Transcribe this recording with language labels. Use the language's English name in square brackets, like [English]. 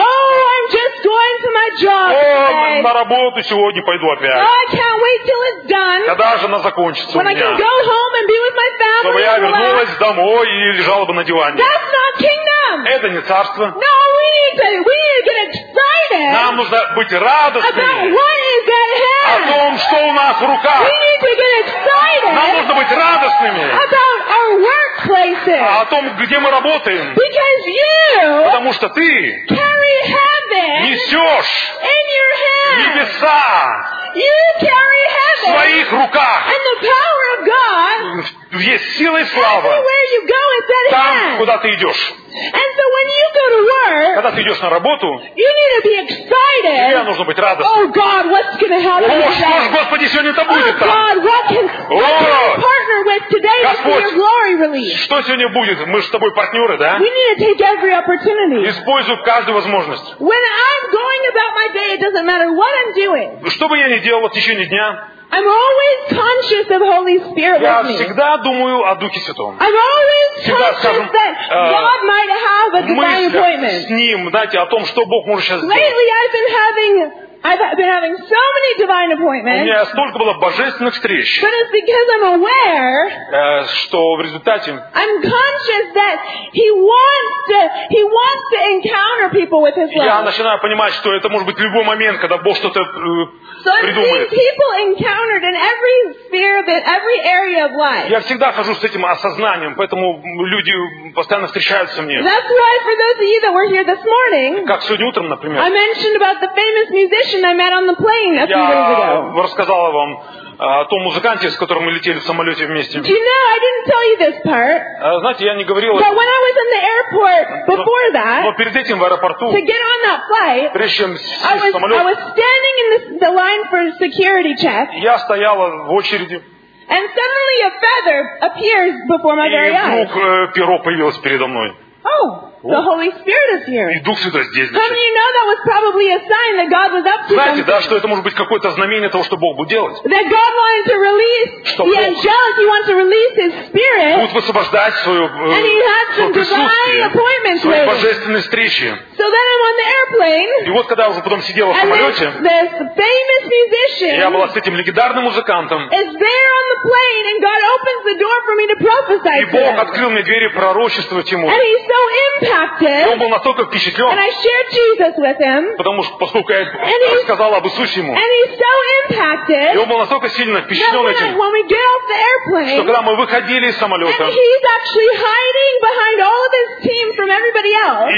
[English] Oh, I'm just going to my job today. [Russian] О, на работу сегодня пойду опять. [English] Oh, I can't wait till it's done. [Russian] Когда же она закончится? [English] When [Russian] у меня. [English] I can go home and be with my family. [Russian] Чтобы я вернулась домой и лежала бы на диване. [English] That's not kingdom. [Russian] Это не царство. [English] No, we need to get excited. [Russian] Нам нужно быть радостными. [English] About what is ahead. [Russian] О том, что у нас в руках. [English] We need to get excited. [Russian] Нам нужно быть радостными. [English] About our workplace. [Russian] О том, где мы работаем. [English] Because you, [Russian] потому что ты [English] carry heaven [Russian] несешь [English] in your hands. [Russian] Небеса [English] you carry heaven [Russian] в своих руках. [English] And the power of God [Russian] есть сила и слава [English] everywhere you go is at hand. [Russian] Там, куда ты идешь. [English] And so when you go to work, [Russian] когда ты идешь на работу, [English] you need to be excited. [Russian] Тебе нужно быть радостным. [English] Oh, God, what's gonna happen [Russian] о, что ж, Господи, сегодня это будет там. [English] God, what can we partner with today [Russian] Господь, [English] to see your glory release? [Russian] Что сегодня будет? Мы же с тобой партнеры, да? [English] We need to take every opportunity. [Russian] Используй каждую возможность. [English] When I'm going about my day, it doesn't matter what I'm doing. [Russian] Что бы я ни делал в течение дня, [English] I'm always conscious of Holy Spirit with me. [Russian] Я всегда думаю о Духе Святом. [English] I'm always conscious that God might have a divine appointment. [Russian] С ним, знаете, о том, что Бог может сейчас сделать. [English] Lately, I've been having so many divine appointments. [Russian] У меня столько было божественных встреч. [English] But it's because I'm aware. [Russian] Что в результате? [English] I'm conscious that he wants to encounter people with his love. [Russian] Я начинаю понимать, что это может быть любой момент, когда Бог что-то придумает. [English] So I've seen people encountered in every sphere, that every area of life. [Russian] Я всегда хожу с этим осознанием, поэтому люди постоянно встречаются мне. [English] That's why for those of you that were here this morning. [Russian] Как сегодня утром, например. [English] I mentioned about the famous musician. I met on the plane a few days ago. [Russian] Я рассказала вам о том музыканте, с которым мы летели в самолете вместе. [English] Do you know, I didn't tell you this part. [Russian] Знаете, я не говорила. [English] But when I was in the airport before that, [Russian] но перед этим в аэропорту, [English] to get on that flight, [Russian] прежде чем сесть в самолет, [English] I was standing in the line for security check. [Russian] Я стояла в очереди. [English] And suddenly a feather appears before my very eyes. [Russian] И вдруг перо появилось передо мной. [English] Oh, the Holy Spirit is here. [Russian] И Дух Святой здесь. [English] How many know that was probably a sign that God was up to something? [Russian] Знаете, да, что это может быть какое-то знамение того, что Бог будет делать? [English] That God wanted to release the angelic, He wants to release His Spirit. [Russian] Будет высвобождать свою [English] And He has some divine appointments with. [Russian] Свои божественные встречи. [English] So then I'm on the airplane. [Russian] И вот когда я уже потом сидела в самолете, [English] this famous musician. [Russian] Я была с этим легендарным музыкантом. [English] Is there on the plane, and God opens the door for me to prophesy. [Russian] И Бог открыл мне двери пророчествовать ему. [English] And he's so impacted. [Russian] Он был настолько впечатлен. [English] And I shared Jesus with him. [Russian] Потому что поскольку я рассказала об Иисусе ему. [English] And he's so impacted. [Russian] И он был настолько сильно впечатлен этим. [English] When we get off the airplane. [Russian] Что когда мы выходили из самолета. [English] And he's actually hiding behind all of his team from everybody else.